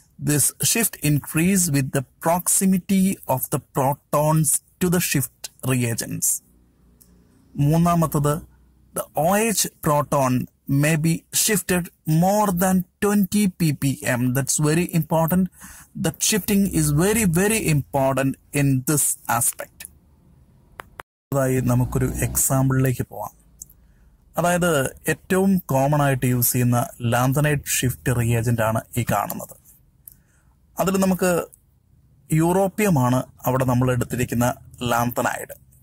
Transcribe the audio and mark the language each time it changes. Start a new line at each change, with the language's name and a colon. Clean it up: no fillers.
English: This shift increase with the proximity of the protons to the shift reagents. മൂന്നാമത്തത്, the O H proton may be shifted more than 20 P P M. That's very important. That shifting is very, very important in this aspect.
Malayalam: അതായത് നമുക്കൊരു എക്സാമ്പിളിലേക്ക് പോവാം. അതായത് ഏറ്റവും common ആയിട്ട് use ചെയ്യുന്ന lanthanide shift reagent ആണ് ഈ കാണുന്നത്. അതിൽ നമുക്ക് യൂറോപ്യമാണ് അവിടെ നമ്മൾ എടുത്തിരിക്കുന്ന ലാന്തനൈഡ്.